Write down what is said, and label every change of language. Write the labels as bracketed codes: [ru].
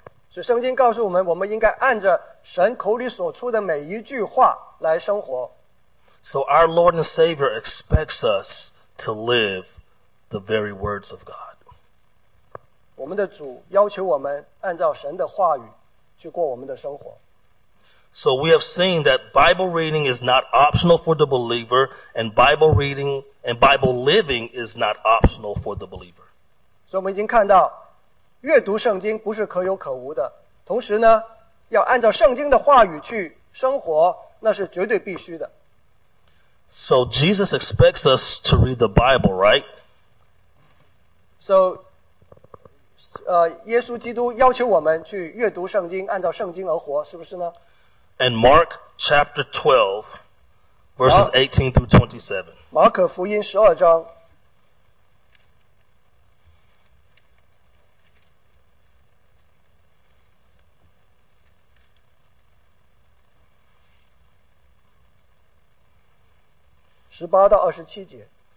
[zh] 所以圣经告诉我们，我们应该按着神口里所出的每一句话来生活。 [en] So our Lord and Savior expects us to live the very words of God. [zh] 我们的主要求我们按照神的话语去过我们的生活。 [en] So we have seen that Bible reading is not optional for the believer, and Bible reading and Bible living is not optional for the believer. [zh] So 我们已经看到，阅读圣经不是可有可无的，同时呢，要按照圣经的话语去生活，那是绝对必须的。 [en] So Jesus expects us to read the Bible, right? [zh] So, 耶稣基督要求我们去阅读圣经，按照圣经而活，是不是呢？ [en] And Mark chapter 12, verses 18 through 27. [zh] 马可福音十二章十八到二十七节。